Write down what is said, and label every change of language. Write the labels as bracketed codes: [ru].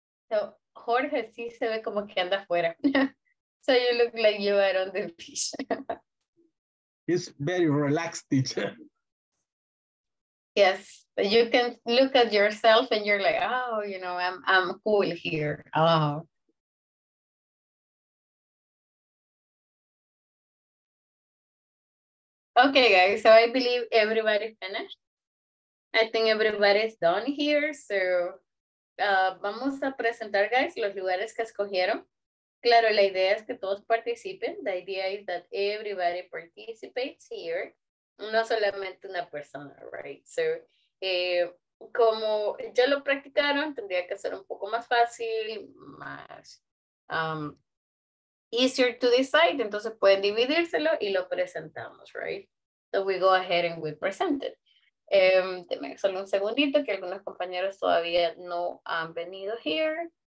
[es] So Jorge sí se ve como que anda afuera. [en] So you look like you are on the beach. He's very relaxed, teacher. Yes, but you can look at yourself and you're like, oh, you know, I'm cool here. Oh. Okay, guys, so I believe everybody finished. I think everybody's done here. [es] So vamos a presentar, guys, los lugares que escogieron. Claro, la idea es que todos participen. [en] The idea is that everybody participates here, [es] no solamente una persona, [en] right? [es] So como ya lo practicaron, tendría que ser un poco más fácil, más [en] easier to decide. [es] Entonces pueden dividírselo y lo presentamos, right? [en] So we go ahead and we present it. [es] Deme solo un segundito que algunos compañeros todavía no han venido here.